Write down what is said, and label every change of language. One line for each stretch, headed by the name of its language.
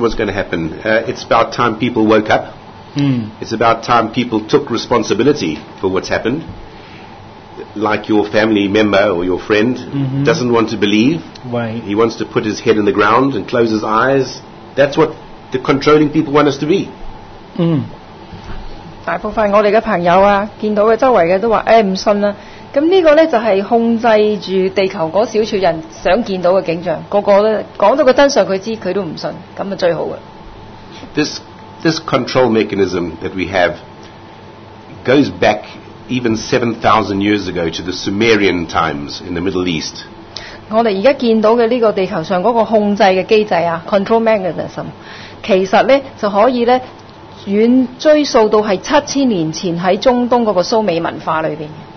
English: What's going to happen?、It's about time people woke up. It's about time people took responsibility for what's happened. Like your family member or your friend、mm-hmm. doesn't want to believe、 right. he wants to put his head in the ground and close his eyes. That's what the controlling people want us to be、 mm.
Chinese: 大部分我們的朋友、啊、見到的周圍的都說、哎、不信、啊、那這個呢就是控制住地球那小撮人想見到的景象，個個呢講到個真相他知道他都不信，那就最好的。
English: This control mechanism that we have goes backeven 7,000 years ago to the Sumerian times in the Middle East.
Chinese: 我們現在見到的這個地球上的控制的機制 control mechanism 其實呢就可以呢遠追溯到是7000年前在中東的蘇美文化裡面。